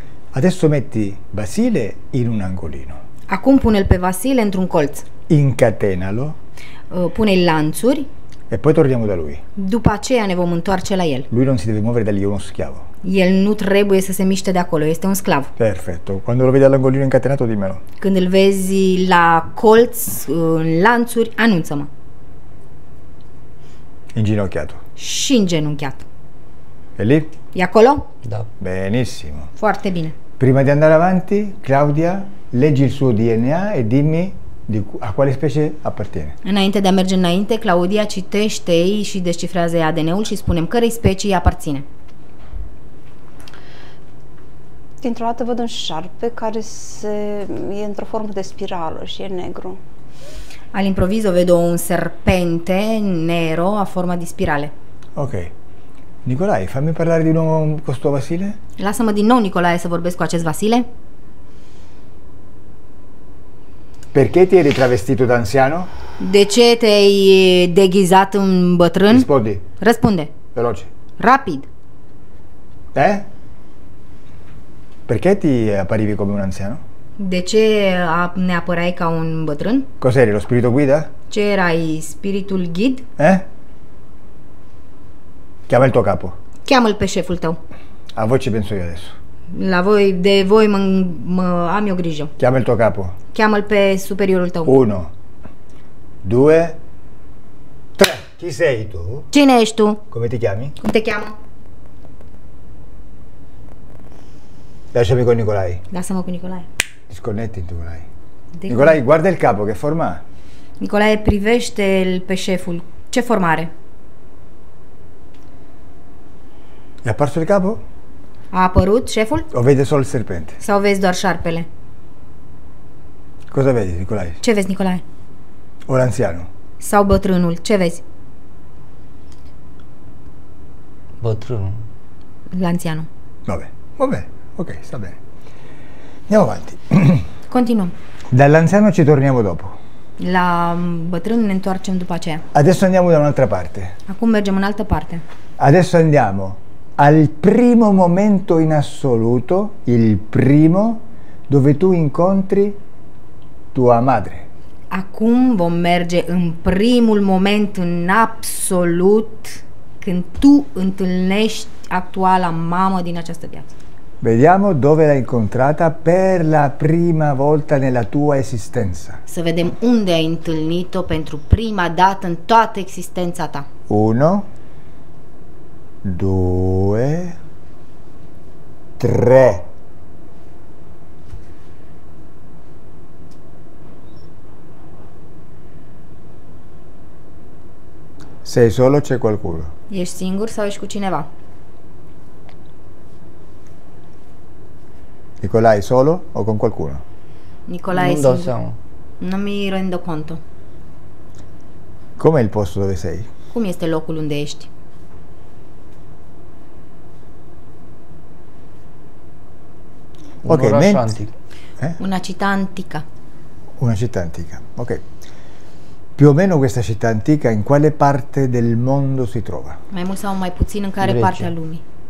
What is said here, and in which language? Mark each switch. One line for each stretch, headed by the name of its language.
Italian: Adesso metti Basile in un angolino.
Romanian: Acum pune-l pe Vasile într-un colț.
Italian: Incatenalo.
Romanian: Pune-i lanțuri.
Italian: E poi torniamo da lui.
Romanian: După aceea ne vom întoarce la el.
Italian: Lui non si deve muovere da lì, è uno schiavo.
Romanian: El nu trebuie să se miște de acolo, este un sclav.
Italian: Perfetto. Quando lo vedi all'angolino incatenato, dimmelo.
Romanian: Când îl vezi la colț, în lanțuri, anunță-mă.
Italian: Inginocchiato.
Romanian: Și îngenunchiat.
Italian: E lì?
Romanian: E acolo? Da.
Italian: Benissimo.
Romanian: Foarte bine.
Italian: Prima di andare avanti, Claudia, leggi il suo DNA e dimmi a quale specie appartiene.
Romanian: Înainte de a merge înainte, Claudia citește-i și descifrează-i ADN-ul și spunem cărei specii aparține. Dintr-o dată văd un șarpe care e într-o formă de spirală și e negru.
Italian: Al improviso vedo un serpente nero a forma di spirale. Ok. Nicolae, fammi parlare di nuovo con questo Vasile.
Romanian: Lasă-mă din nou, Nicolae, să vorbesc cu acest Vasile.
Italian: Perché ti eri travestito da anziano?
Romanian: De ce te-ai deghizat în bătrân?
Italian: Rispondi.
Romanian: Răspunde.
Italian: Veloce.
Romanian: Rapid. Eh?
Italian: Perché ti apparivi come un anziano?
Romanian: De ce ne apărai ca un bătrân?
Italian: Cos'eri, lo spirito guida?
Romanian: Ce erai, spiritul ghid? Eh?
Italian: Chiamă il tuo capo.
Romanian: Chiamă-l pe șeful tău.
Italian: A voi ce penso io adesso.
Romanian: La voi, de voi mă am eu grijă.
Italian: Chiamă-l tuo capo.
Romanian: Chiamă-l pe superiorul tău.
Italian: 1, 2, 3. Chi sei tu?
Romanian: Cine ești tu?
Italian: Come ti chiami?
Romanian: Cum te cheamă?
Italian: Lasciami con Nicolae.
Romanian: Lasă-mă cu Nicolae.
Italian: Disconnetti, Nicolae. Nicolae, guarda il capo, che forma?
Romanian: Nicolae, privește-l pe șeful. Ce formă are?
Italian: E apparso il capo?
Romanian: A apărut șeful?
Italian: O vede solo il serpente.
Romanian: Sau vezi doar șarpele?
Italian: Cosa vedi, Nicolae?
Romanian: Ce vezi, Nicolae?
Italian: O l'anziano.
Romanian: Sau bătrânul, ce vezi? Bătrânul.
Italian: L'anziano. Vabbè, Va bene, ok, sta bene. Andiamo avanti.
Romanian: Continuăm.
Italian: Dall'anziano ci torniamo dopo.
Romanian: La bătrân ne întoarcem după aceea.
Italian: Adesso andiamo da un'altra parte.
Romanian: Acum mergem în altă parte.
Italian: Adesso andiamo al primo momento in assoluto, il primo, dove tu incontri tua madre.
Romanian: Acum vom merge în primul moment în absolut, când tu întâlnești actuala mamă din această viață.
Italian: Vediamo dove l'hai incontrata per la prima volta nella tua esistenza.
Romanian: Să vedem unde ai întâlnit-o pentru prima dată în toată existența ta.
Italian: 1 2 3 Sei solo o c'è qualcuno?
Romanian: Ești singur sau ești cu cineva?
Italian: Nicolai, solo o con qualcuno? Nicolai, non do siamo. Non mi rendo conto. Com'è il posto dove sei?
Romanian: Cum este locul unde ești? Ok,
Italian: una città antica. Una città antica. Ok. Più o meno questa città antica in quale parte del mondo si trova?
Romanian: Mai mult sau mai puțin în care parte a lumii?